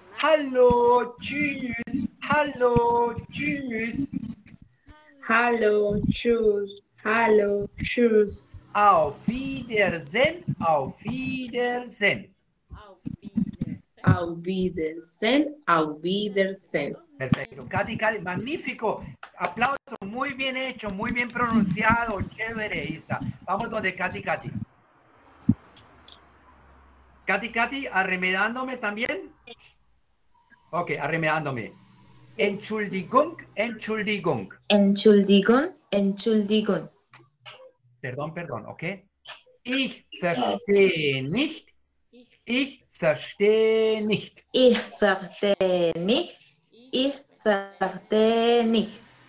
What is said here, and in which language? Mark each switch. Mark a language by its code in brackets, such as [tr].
[de] Hallo, tschüss. Hallo, tschüss. Hallo, tschüss. Hallo, tschüss. Auf Wiedersehen, auf Wiedersehen. Auf Wiedersehen, auf Wiedersehen. [es] Perfecto. Katy, Katy, magnífico. Aplauso, muy bien hecho, muy bien pronunciado. Chévere, Isa. Vamos donde Katy, Katy. Katy, Katy, arremedándome también. Ok, arremedándome. [de] Entschuldigung, Entschuldigung. Entschuldigung, Entschuldigung. [es] Perdón, perdón, ok. [de] Ich verstehe nicht. Ich verstehe nicht. Ich verstehe nicht. Ich verstehe nicht.